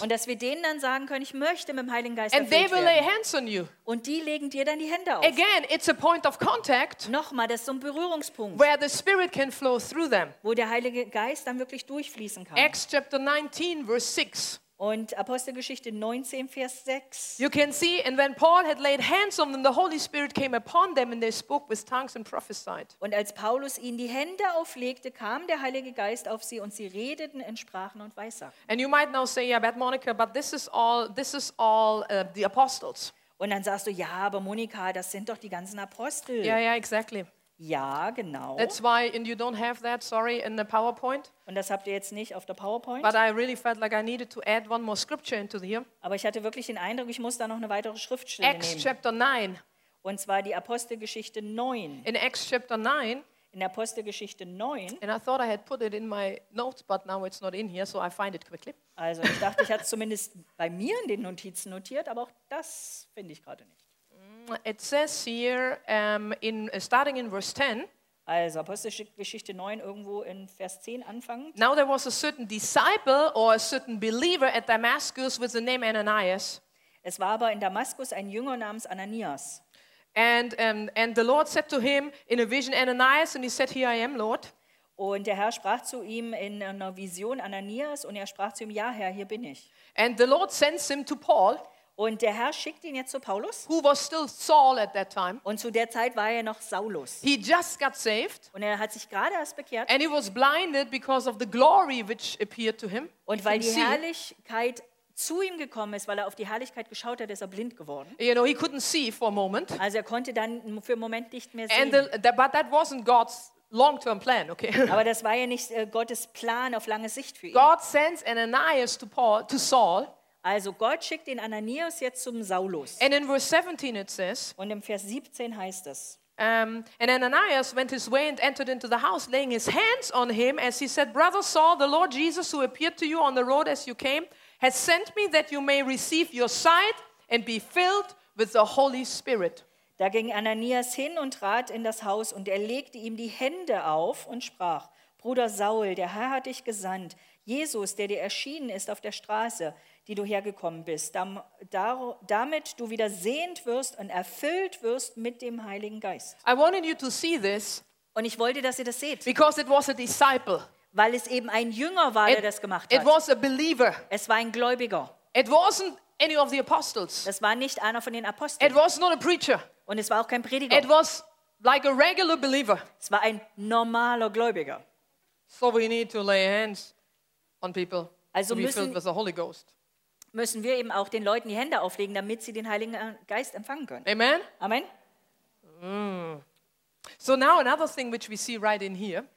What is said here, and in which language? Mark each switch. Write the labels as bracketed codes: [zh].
[de] Und dass wir denen dann sagen können, ich möchte mit dem Heiligen Geist [en] and [de] erfüllt werden. [en] And they will lay hands on you. [de] Und die legen dir dann die Hände auf. [en] Again, it's a point of contact. [de] Nochmal, das ist so ein Berührungspunkt. [en] Where the Spirit can flow through them. [de] Wo der Heilige Geist dann wirklich durchfließen kann. [en] Acts chapter 19 verse 6. [de] Und Apostelgeschichte 19, Vers 6. [en] You can see, and when Paul had laid hands on them, the Holy Spirit came upon them, and they spoke with tongues and prophesied. [de] Und als Paulus ihnen die Hände auflegte, kam der Heilige Geist auf sie, und sie redeten in Sprachen und Weissagten. [en] And you might now say, yeah, but Monica, but this is all the apostles. [de] Und dann sagst du, ja, aber Monika, das sind doch die ganzen Apostel. [en] Yeah, yeah, exactly. [de] Ja, genau. [en] That's why, and you don't have that, sorry, in the PowerPoint. [de] Und das habt ihr jetzt nicht auf der PowerPoint. [en] But I really felt like I needed to add one more scripture into here. [de] Aber ich hatte wirklich den Eindruck, ich muss da noch eine weitere Schriftstelle [en] Acts [de] nehmen. [en] Acts chapter 9. [de] Und zwar die Apostelgeschichte 9. [en] In Acts chapter 9. [de] In Apostelgeschichte 9. [en] And I thought I had put it in my notes, but now it's not in here, so I find it quickly. [de] Also ich dachte, ich hatte es zumindest bei mir in den Notizen notiert, aber auch das finde ich gerade nicht. [en] It says here, starting in verse 10. [de] Also Apostelgeschichte 9, irgendwo in Vers 10 anfangen. [en] Now there was a certain disciple or a certain believer at Damascus with the name Ananias. [de] Es war aber in Damaskus ein Jünger namens Ananias. [en] And the Lord said to him in a vision, Ananias, and he said, Here I am, Lord. [de] Und der Herr sprach zu ihm in einer Vision, Ananias, und er sprach zu ihm, Ja, Herr, hier bin ich. [en] And the Lord sends him to Paul. [de] Und der Herr schickt ihn jetzt zu Paulus. [en] Who was still Saul at that time. [de] Und zu der Zeit war er noch Saulus. [en] He just got saved. [de] Und er hat sich gerade erst bekehrt. [en] And he was blinded because of the glory which appeared to him. [de] Und weil die Herrlichkeit zu ihm gekommen ist, weil er auf die Herrlichkeit geschaut hat, ist er blind geworden. [en] You know, he couldn't see for a moment. [de] Also er konnte dann für einen Moment nicht mehr sehen. [en] And but that wasn't God's long-term plan, okay? [de] Aber das war ja nicht Gottes Plan auf lange Sicht für ihn. [en] God sends Ananias to Paul, to Saul. [de] Also Gott schickt den Ananias jetzt zum Saulus. [en] And in verse 17 it says, [de] und im Vers 17 heißt es, [en] and Ananias went his way and entered into the house, laying his hands on him, as he said, Brother Saul, the Lord Jesus, who appeared to you on the road as you came, has sent me that you may receive your sight and be filled with the Holy Spirit. [de] Da ging Ananias hin und trat in das Haus, und er legte ihm die Hände auf und sprach, Bruder Saul, der Herr hat dich gesandt, Jesus, der dir erschienen ist auf der Straße, die du hergekommen bist, damit du wieder sehend wirst und erfüllt wirst mit dem Heiligen Geist. [en] I wanted you to see this. [de] Und ich wollte, dass ihr das seht. [en] Because it was a disciple. [de] Weil es eben ein Jünger war, der das gemacht hat. [en] It was a believer. [de] Es war ein Gläubiger. [en] It wasn't any of the apostles. [de] Es war nicht einer von den Aposteln. [en] It was not a preacher. [de] Und es war auch kein Prediger. [en] It was like a regular believer. [de] Es war ein normaler Gläubiger. [en] So we need to lay hands on people. [de] Also müssen wir eben auch den Leuten die Hände auflegen, damit sie den Heiligen Geist empfangen können. [en] Amen. [de] Amen. Mm. [en] So now another thing which we see right in here.